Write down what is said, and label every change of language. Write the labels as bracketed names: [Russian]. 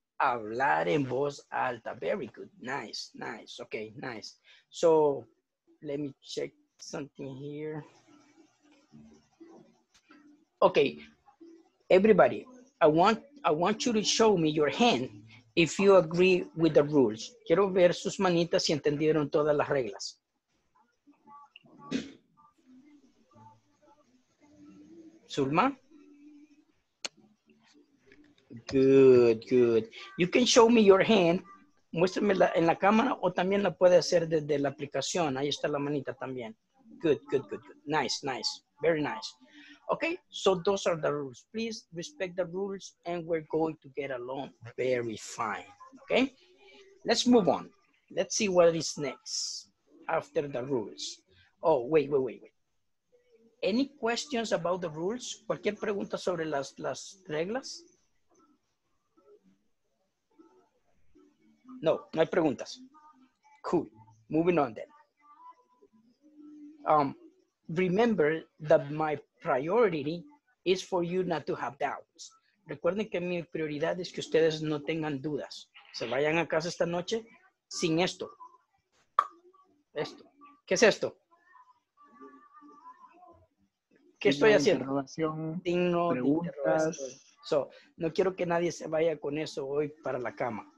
[Spanish] Hablar en voz alta. [English] Very good. Nice, nice. Okay, nice. So let me check something here. Okay, everybody, I want you to show me your hand. If you agree with the rules. [Spanish] Quiero ver sus manitas si entendieron todas las reglas. Zulma? Good, good. [English] You can show me your hand. [Spanish] Muéstrame en la cámara o también la puede hacer desde la aplicación. Ahí está la manita también. [English] Good, good, good, good. Nice, nice. Very nice. Okay, so those are the rules. Please respect the rules and we're going to get along very fine, okay? Let's move on. Let's see what is next after the rules. Oh, wait. any questions about the rules? [Spanish] ¿Cualquier pregunta sobre las reglas? No, no hay preguntas. Cool. [English] Moving on then. Remember that my priority is for you not to have doubts. [Spanish] Recuerden que mi prioridad es que ustedes no tengan dudas. Se vayan a casa esta noche sin esto. Esto. ¿Qué es esto? ¿Qué estoy haciendo? Interrogación, signo preguntas. So, no quiero que nadie se vaya con eso hoy para la cama.